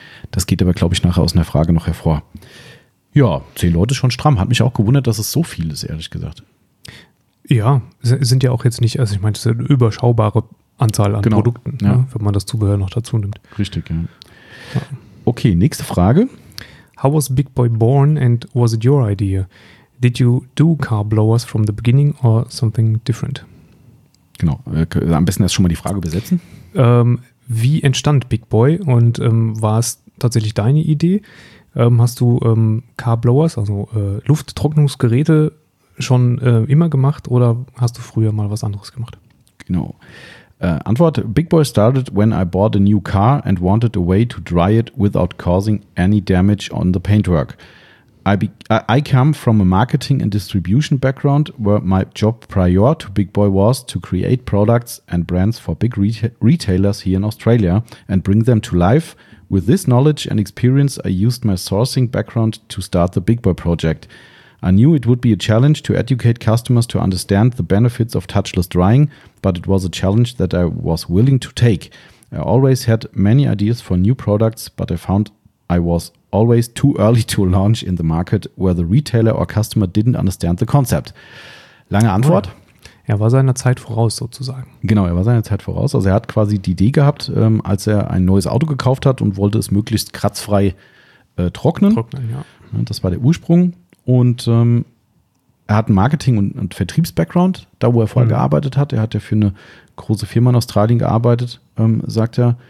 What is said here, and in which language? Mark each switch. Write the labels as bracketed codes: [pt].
[de] Das geht aber, glaube ich, nachher aus einer Frage noch hervor. Ja, 10 Leute schon stramm. Hat mich auch gewundert, dass es so viel ist, ehrlich gesagt. Ja, sind ja auch jetzt nicht, also ich meine, es ist eine überschaubare Anzahl an Produkten, ja. Wenn man das Zubehör noch dazu nimmt. Richtig, ja. Okay, nächste Frage. [en] How was Big Boy born and was it your idea? Did you do car blowers from the beginning or something different? [de] Genau, am besten erst schon mal die Frage übersetzen. Wie entstand Big Boy und war es tatsächlich deine Idee? Hast du Car Blowers, also Lufttrocknungsgeräte, schon immer gemacht oder hast du früher mal was anderes gemacht? Genau. Antwort: [en] Big Boy started when I bought a new car and wanted a way to dry it without causing any damage on the paintwork. I come from a marketing and distribution background where my job prior to Big Boy was to create products and brands for big retailers here in Australia and bring them to life. With this knowledge and experience, I used my sourcing background to start the Big Boy project. I knew it would be a challenge to educate customers to understand the benefits of touchless drying, but it was a challenge that I was willing to take. I always had many ideas for new products, but I found I was always too early to launch in the market where the retailer or customer didn't understand the concept. [de] Lange Antwort. Er war seiner Zeit voraus sozusagen. Genau, er war seiner Zeit voraus. Also er hat quasi die Idee gehabt, als er ein neues Auto gekauft hat und wollte es möglichst kratzfrei trocknen. Trocknen, ja. Das war der Ursprung. Und er hat einen Marketing- und Vertriebs-Background, da wo er vorher gearbeitet hat. Er hat ja für eine große Firma in Australien gearbeitet, sagt er.